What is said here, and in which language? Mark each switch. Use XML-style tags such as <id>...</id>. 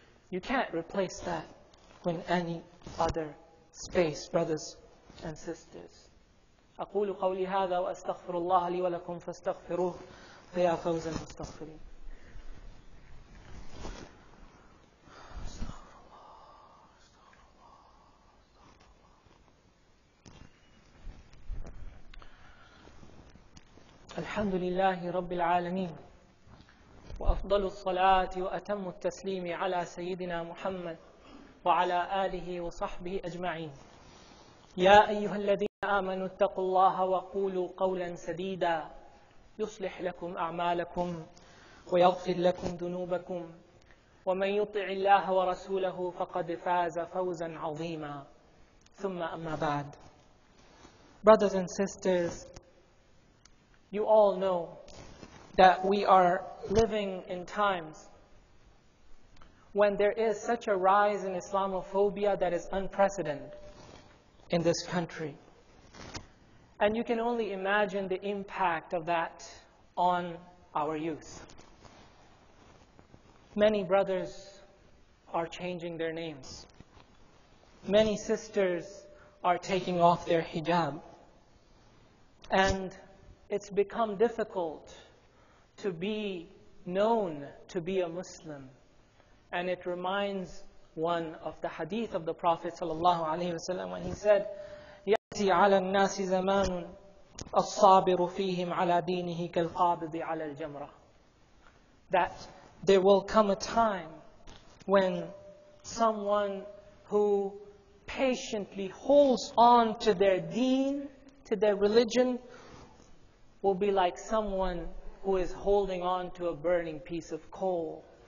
<en>You can't replace that with any other space, brothers and sisters.</en> <ar>أقول قولي هذا وأستغفر الله لي ولكم فاستغفروه فيا فوز المستغفرين. الحمد لله رب العالمين وأفضل الصلاة وأتم التسليم على سيدنا محمد وعلى آله وصحبه أجمعين. يا أيها الذين آمنوا اتقوا الله وقولوا قولا سديدا يصلح لكم أعمالكم ويغفر لكم ذنوبكم ومن يطع الله ورسوله فقد فاز فوزا عظيما. ثم أما بعد.</ar> <en>Brothers and sisters, you all know that we are living in times when there is such a rise in Islamophobia that is unprecedented in this country. And you can only imagine the impact of that on our youth. Many brothers are changing their names. Many sisters are taking off their hijab. And it's become difficult to be known to be a Muslim. And it reminds one of the hadith of the Prophet ﷺ when he said,</en> <ar>يَأْتِي عَلَى النَّاسِ زَمَانٌ الصابر فيهم على دينه كالقابض على الجمرة.</ar> <en>That there will come a time when someone who patiently holds on to their deen, to their religion, will be like someone who is holding on to a burning piece of coal.</en>